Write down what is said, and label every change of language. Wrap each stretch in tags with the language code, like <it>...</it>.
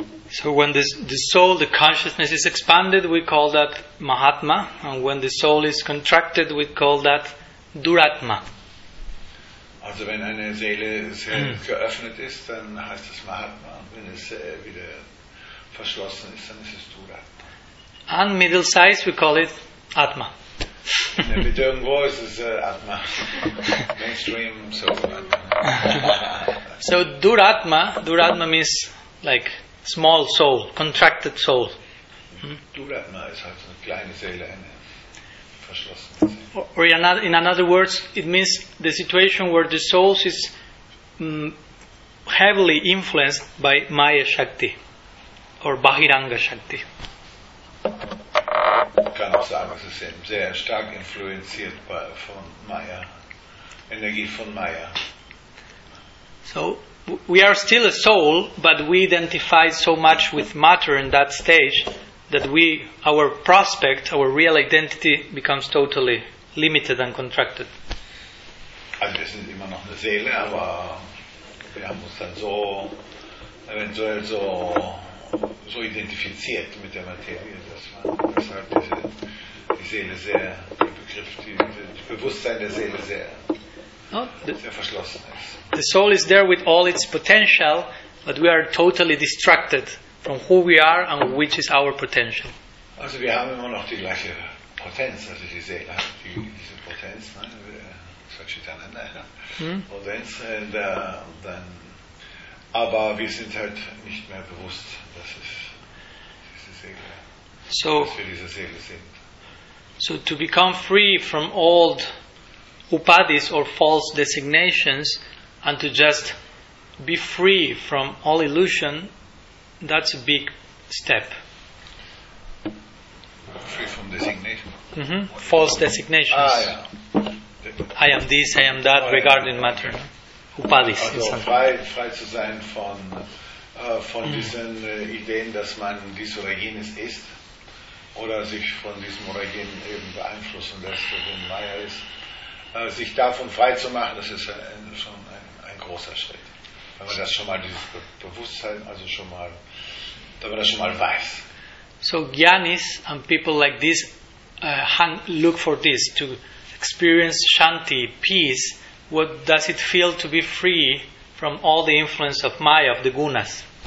<en>So when the soul, the consciousness is expanded, we call that Mahatma, and when the soul is contracted, we call that Duratma.</en> <de>Also wenn eine Seele sehr geöffnet ist, dann heißt es Mahatma, und wenn es wieder verschlossen ist, dann ist es Duratma.</de> <en>And middle size, we call it Atma.</en> <de>In der Mitte irgendwo ist es Atma. Mainstream, so Atma.</de> <en>So Duratma means like small soul, contracted soul.</en> <de>Duratma ist halt so eine kleine Seele, eine verschlossene Seele.</de> <en>Or in other words, it means the situation where the soul is heavily influenced by Maya Shakti or Bahiranga Shakti.</en> <de>Man kann auch sagen, es ist eben sehr stark influenziert von Maya, Energie von Maya.</de> <en>So, we are still a soul, but we identify so much with matter in that stage that our prospect, our real identity becomes totally limited and contracted.</en> <de>Also wir sind immer noch eine Seele, aber wir haben uns dann so eventuell so identifiziert mit der Materie, dass man deshalb die Bewusstsein der Seele sehr verschlossen ist.</de> <en>The soul is there with all its potential, but we are totally distracted from who we are and which is our potential.</en> <de>Also wir haben immer noch die gleiche Potenz, also die Seele hat diese Potenz, Potenz, aber wir sind halt nicht mehr bewusst, dass wir diese Seele sind.</de> <en>So to become free from old upadis or false designations and to just be free from all illusion, that's a big step. Free from designation? Mm-hmm. False designations. Ah, ja. I am this, I am that, regarding matter.</en> <sa>Upadis.</sa> <de>Also frei zu sein von diesen Ideen, dass man dies oder jenes ist. oder sich von diesem Regime eben beeinflussen lässt, der in Maya ist, sich davon frei zu machen, das ist schon ein großer Schritt. Wenn man das schon mal, dieses Bewusstsein, also schon mal, wenn man das schon mal weiß.</de> <en>So Gyanis and people like this look for this, to experience Shanti, peace. What does it feel to be free from all the influence of Maya, of the Gunas?</en>